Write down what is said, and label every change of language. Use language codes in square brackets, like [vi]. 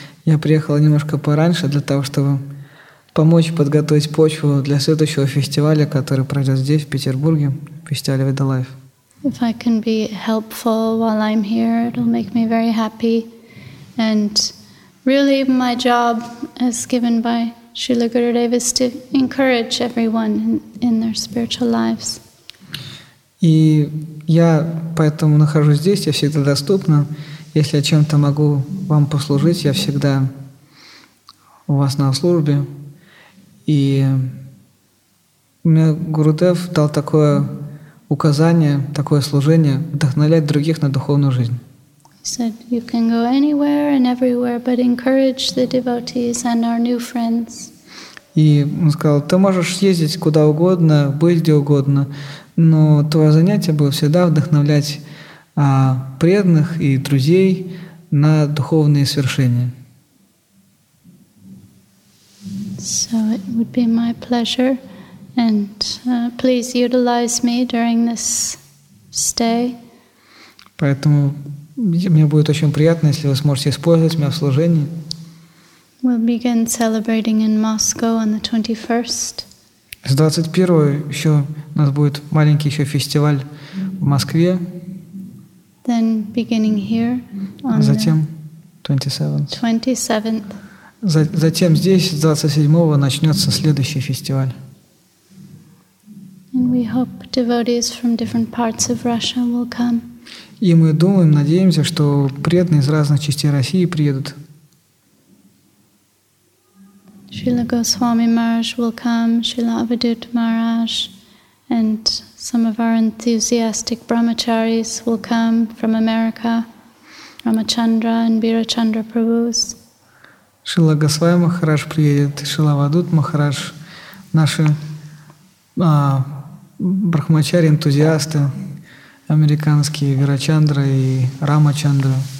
[ru] Я приехала немножко пораньше для того, чтобы помочь подготовить почву для следующего фестиваля, который пройдет здесь, в Петербурге, фестиваль Veda Life. [en] If I can be helpful while I'm here, it'll make me very happy. And really my job as given by Srila Gurudev is to encourage everyone in their spiritual lives. [ru] И я поэтому нахожусь здесь, я всегда доступна. Если я чем-то могу вам послужить, я всегда у вас на службе. И мне Гурудев дал такое указание, такое служение – вдохновлять других на духовную жизнь. [en] He said, you can go anywhere and everywhere, but encourage the devotees and our new friends. [ru] И он сказал, ты можешь ездить куда угодно, быть где угодно, но твое занятие было всегда вдохновлять преданных и друзей на духовные свершения. [en] So it would be my pleasure, and please utilize me during this stay. [ru] Поэтому мне будет очень приятно, если вы сможете использовать меня в служении. [en] We'll begin celebrating in Moscow on the 21st. [ru] С 21-го еще у нас будет маленький еще фестиваль в Москве. [en] Then beginning here on [ru] затем [en] 27th. [ru] Затем здесь, с 27-го, начнется следующий фестиваль. [en] And we hope devotees from different parts of Russia will come. [ru] И мы думаем, надеемся, что преданные из разных частей России приедут. [en] Srila Goswami Maharaj will come, Srila Avadhut Maharaj, and some of our enthusiastic brahmacharis will come from America, Ramachandra and Birachandra Prabhus. [ru] Srila Goswami Maharaj приедет, Srila Avadhut Maharaj, наши брахмачари-энтузиасты, американские Вирачандра и Рамачандра.